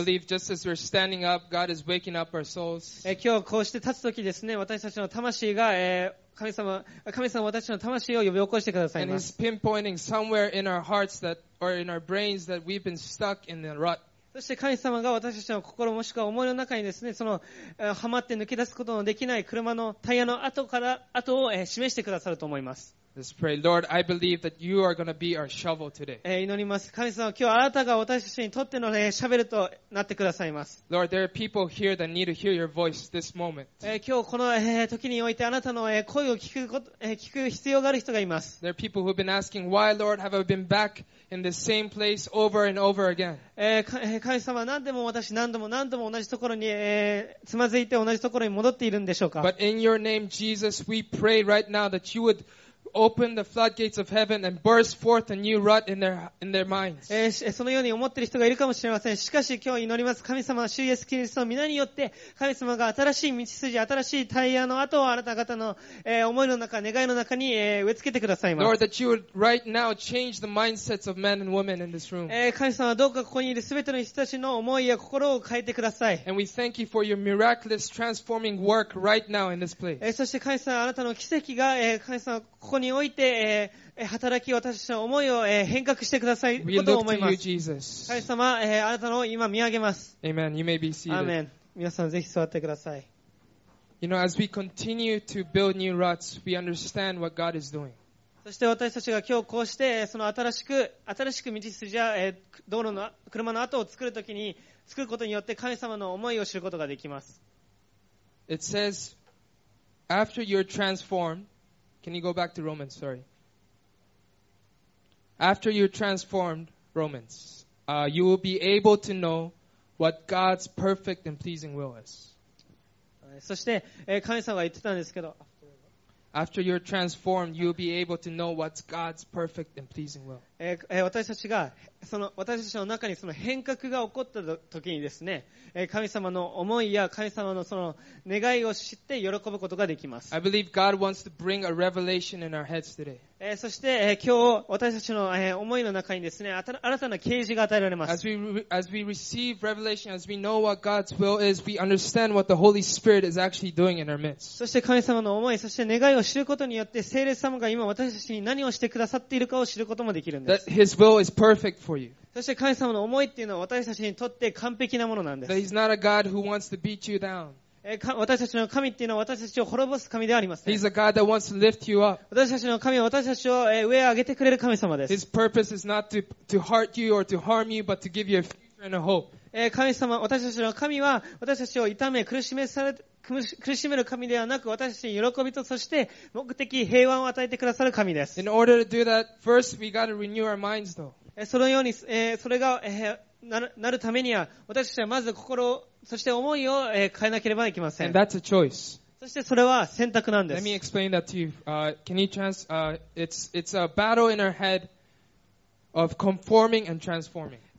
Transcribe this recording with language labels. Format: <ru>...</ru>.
<en>I believe just as we're standing up, God is waking up our souls.</en> <ja>今日こうして立つときですね、私たちの魂が、神様は私の魂を呼び起こしてくださいます。</ja> <en>And he's pinpointing somewhere in our hearts that, or in our brains that we've been stuck in the rut.</en> <ja>そして神様が私たちの心もしくは思いの中にですね、その、はまって抜け出すことのできない車のタイヤの跡を、示してくださると思います。</ja> <en>Let's pray. Lord, I believe that you are going to be our shovel today.</en> <ja>祈ります。神様、今日あなたが私たちにとっての、シャベルとなってくださいます。</ja> <en>Lord, there are people here that need to hear your voice this moment.</en> <ja>今日この、時においてあなたの、声を聞くこと、聞く必要がある人がいます。</ja> <en>There are people who have been asking, why, Lord, have I been back? In the same place over and over again.</en> <ja>神様、何でも私何度も何度も同じところに、つまずいて同じところに戻っているんでしょうか。</ja> <en>But in your name, Jesus, we pray right now that you would open the floodgates of heaven and burst forth a new rut in their minds.</en> <ja>そのように思っている人がいるかもしれません。しかし今日祈ります。神様、主イエスキリストの皆によって、神様が新しい道筋、新しいタイヤの跡をあなた方の思いの中、願いの中に植え付けてくださいます。</ja> <en>Lord, that you would right now change the mindsets of men and women in this room.</en> <ja>神様、どうかここにいるすべての人たちの思いや心を変えてください。</ja> <en>And we thank you for your miraculous transforming work right now in this place.</en> <ja>そして神様、あなたの奇跡が神様ここにおいて、働き私たちの思いを、変革してくださいことを思います。</ja> <en>You,</en> <ja>神様、あなたの今見上げます。</ja> <en>Amen. You may be seated.</en> <ja>アーメン。皆さんぜひ座ってください。</ja> <en>You know, as we continue to build new ruts, we understand what God is doing.</en> <ja>そして私たちが今日こうして、その新しく道筋や、道路の車の跡を作るときに作ることによって神様の思いを知ることができます。</ja> <en>It says, after you're transformed,Can you go back to Romans? Sorry. After you're transformed, Romans, you will be able to know what God's perfect and pleasing will is.</en> <ja>そして、神様が言ってたんですけど、</ja> <en>After you're transformed, you'll be able to know what's God's perfect and pleasing will.</en> <ja>私たちが、その、私たちの中にその変革が起こった時にですね、神様の思いや神様のその願いを知って喜ぶことができます。</ja> <en>I believe God wants to bring a revelation in our heads today.</en> <ja>そして、今日、私たちの思いの中にですね、新たな啓示が与えられます。</ja> <en>As we receive revelation, as we know what God's will is, we understand what the Holy Spirit is actually doing in our midst.</en> <ja>そして神様の思い、そして願い、願いを知ることによって聖霊様が今私たちに何をしてくださっているかを知ることもできるんです。</ja> <en>That His will is perfect for you.</en> <ja>そして神様の思いっていうのは私たちにとって完璧なものなんです。</ja> <en>That He's not a God who wants to beat you down.</en> <ja>私たちの神っていうのは私たちを滅ぼす神ではありません。</ja> <en>He's a God that wants to lift you up.</en> <ja>私たちの神は私たちを上へ上げてくれる神様です。</ja> <en>His purpose is not to hurt you or to harm you, but to give you a future and a hope.</en> <ja>神様、私たちの神は私たちを痛め苦しめる神ではなく、私たちに喜びとそして目的平和を与えてくださる神です。</ja> <en>In order to do that, first we gotta renew our minds, though.</en> <ja>そのように、それが、なるためには私たちはまず心そして思いを、変えなければいけません。</ja> <en>And that's a choice.</en> <ja>そしてそれは選択なんです。</ja> <en>Let me explain that to you. Can you it's a battle in our head of conforming and transforming.</en>